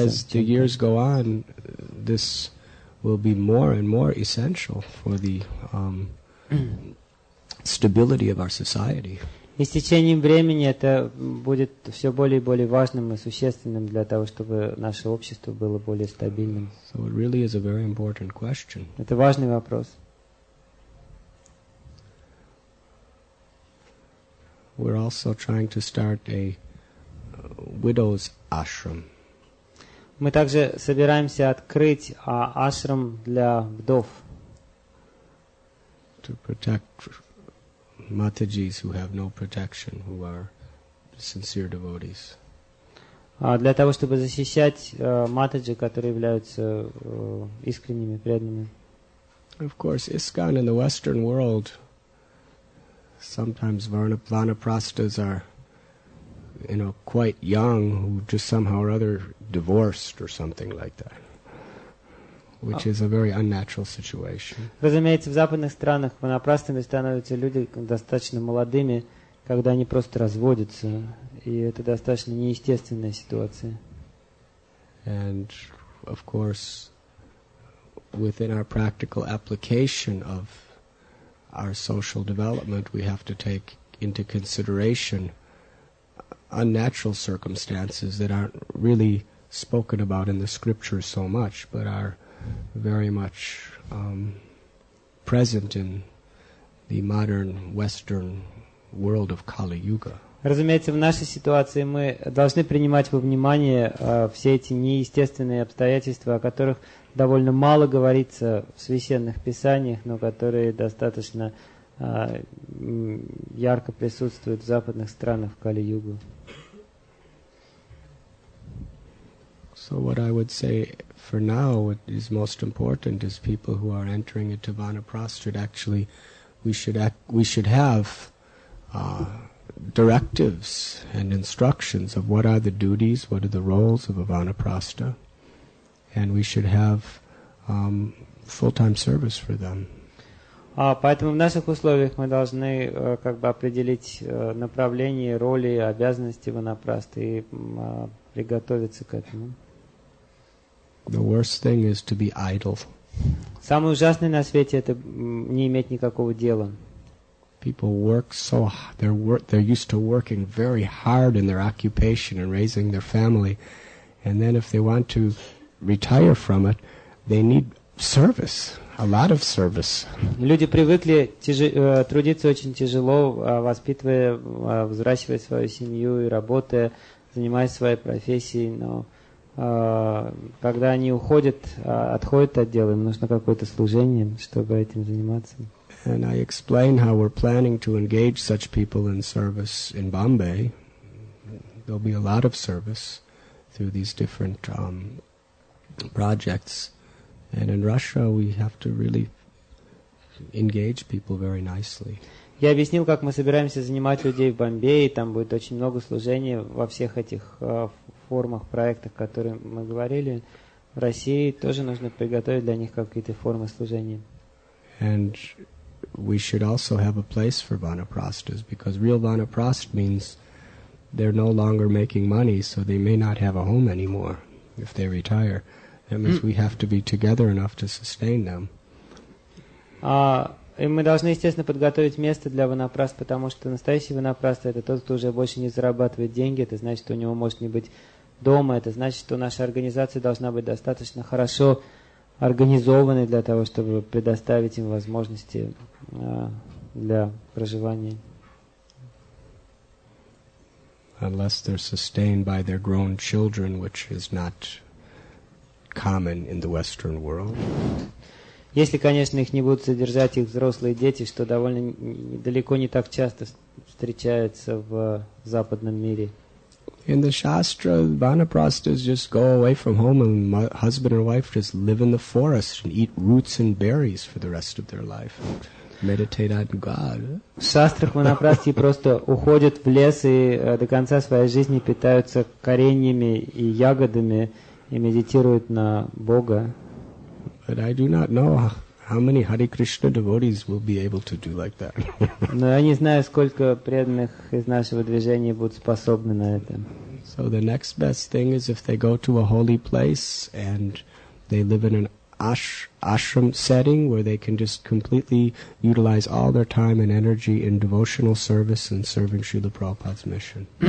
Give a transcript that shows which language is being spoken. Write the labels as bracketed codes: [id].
[en] As the years go on, this will be more and more essential for the stability of our society. [ru] И с течением времени это будет все более и более важным и существенным для того, чтобы наше общество было более стабильным. [en] So it really is a very important question. [ru] Это важный вопрос. [en] We're also trying to start a widow's ashram. [ru] Мы также собираемся открыть ашрам для вдов. [en] To protect Matajis who have no protection, who are sincere devotees. [ru] Для того, чтобы защищать матаджи, которые являются искренними, преданными. [en] Of course, ISKCON in the Western world, sometimes vanaprastas are, you know, quite young, who just somehow or other divorced or something like that. Which is a very unnatural situation. [ru] Разумеется, в западных странах вонапрастами становятся люди достаточно молодыми, когда они просто разводятся, и это достаточно неестественная ситуация. [en] And of course, within our practical application of our social development, we have to take into consideration unnatural circumstances that aren't really spoken about in the scriptures so much, but are very much present in the modern Western world of Kali Yuga. [ru] Разумеется, в нашей ситуации мы должны принимать во внимание все эти неестественные обстоятельства, о которых довольно мало говорится в священных писаниях, но которые достаточно ярко присутствуют в западных странах Кали Юга. [en] So what I would say for now, what is most important is people who are entering into vanaprastha, actually we should have directives and instructions of what are the duties, what are the roles of a vanaprastha, and we should have full-time service for them. [ru] Поэтому в наших условиях мы должны как бы определить направление, роли, обязанности ванапрасты и приготовиться к этому. [en] The worst thing is to be idle. [ru] Самое ужасное на свете это не иметь никакого дела. [en] People work so they're used to working very hard in their occupation and raising their family, and then if they want to retire from it, they need service, a lot of service. [ru] Люди привыкли трудиться очень тяжело, воспитывая, взращивая свою семью и работая, занимаясь своей профессией, но когда они уходят, отходят от дела, им нужно какое-то служение, чтобы этим заниматься. [en] And I explain how we're planning to engage such people in service in Bombay. There'll be a lot of service through these different projects. And in Russia we have to really engage people very nicely. [ru] Я объяснил, как мы собираемся занимать людей в Бомбее, там будет очень много служений во всех этих формах, проектах, которые мы говорили. В России тоже нужно приготовить для них какие-то формы служения. [en] And we should also have a place for vanaprastas, because real vanaprast means they're no longer making money, so they may not have a home anymore if they retire. That means we have to be together enough to sustain them. [ru] И мы должны, естественно, подготовить место для ванапраст, потому что настоящий ванапраст это тот, кто уже больше не зарабатывает деньги, это значит, что у него может не быть дома, это значит, что наша организация должна быть достаточно хорошо организованной для того, чтобы предоставить им возможности для проживания. [en] Unless they're sustained by their grown children, which is not common in the Western world. [ru] Если, конечно, их не будут содержать их взрослые дети, что довольно далеко не так часто встречается в западном мире. [en] In the Shastra, vanaprastas just go away from home and husband and wife just live in the forest and eat roots and berries for the rest of their life. Meditate on God. [ru] В шастрах ванапрасти просто уходят в лес и до конца своей жизни питаются кореньями и ягодами и медитируют на Бога. [en] But I do not know how many Hare Krishna devotees will be able to do like that. [ru] Но я не знаю, сколько преданных из нашего движения будут способны на это. [en] So the next best thing is if they go to a holy place and they live in an ashram setting where they can just completely utilize all their time and energy in devotional service and serving Srila Prabhupada's mission.